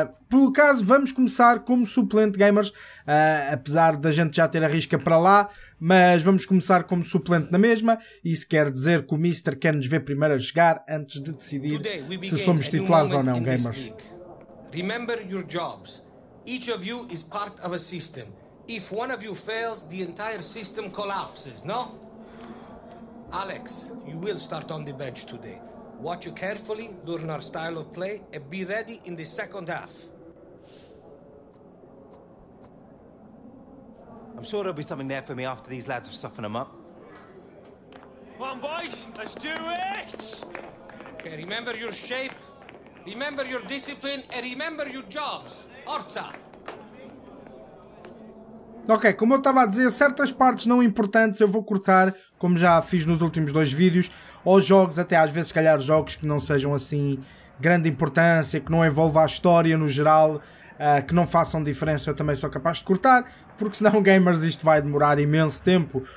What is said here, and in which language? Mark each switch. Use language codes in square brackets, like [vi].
[pt] Pelo caso, vamos começar como suplente, gamers, apesar da gente já ter a risca para lá, mas vamos começar como suplente na mesma. Isso quer dizer que o Mister quer nos ver primeiro a jogar antes de decidir se somos titulares ou não, gamers. [en] Remember your jobs. Each of you is part of a system. If one of you fails, the entire system collapses, no? Alex, you will start on the bench today. Watch you carefully during our style of play and be ready in the second half. I'm sure there'll be something there for me after these lads have softened them up. Come on, boys, let's do it! Okay, remember your shape. Remember your discipline and remember your jobs. Orza! [pt] Ok, como eu estava a dizer, certas partes não importantes eu vou cortar, como já fiz nos últimos dois vídeos, ou jogos, até às vezes, se calhar, jogos que não sejam assim grande importância, que não envolva a história no geral, que não façam diferença, eu também sou capaz de cortar, porque senão, gamers, isto vai demorar imenso tempo.